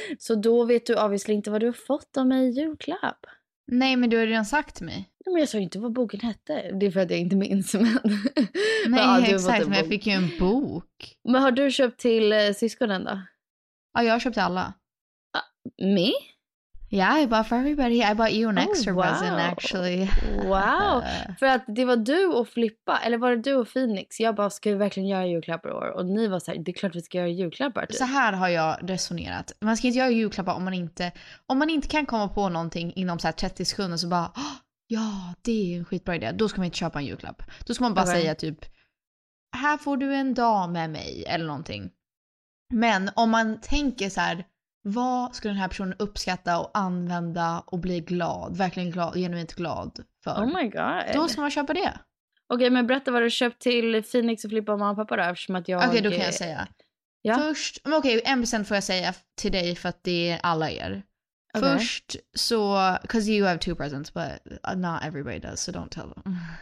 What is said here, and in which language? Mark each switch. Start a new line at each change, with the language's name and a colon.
Swedish: Så då vet du obviously inte vad du har fått av mig i julklapp. Nej, men du har redan sagt till mig. Nej, men jag sa inte vad boken hette. Det är för att jag inte minns. Men... Nej, men, ja, exakt. Men jag fick ju en bok. Men har du köpt till syskonen då? Ja, jag har köpt alla.
English: Me? Yeah, I bought for everybody. I bought you an extra present, actually. Wow.
Swedish: För att det var du och Flippa, eller var det du och Phoenix? Jag bara, ska vi verkligen göra julklappar i år? Och ni var så här, det är klart vi ska göra julklappar. Så här har jag resonerat. Man ska inte göra julklappar om man inte kan komma på någonting inom så här 30 sekunder så bara, ja, det är en skitbra idé. Då ska man inte köpa en julklapp. Då ska man bara säga typ, här får du en dag med mig, eller någonting. Men om man tänker så här, vad skulle den här personen uppskatta och använda och bli glad, verkligen glad, genuint glad för?
English: Oh my god.
Swedish: Då ska man köpa det. Okej, men berätta vad du köpt till Phoenix och Flippa och mamma och pappa då, eftersom att jag... Okej, då kan jag säga. Ja. Först, okej, 1% får jag säga till dig för att det är alla er.
English: Okay.
Swedish: Först så,
English: because you have 2 presents, but not everybody does, so don't tell them.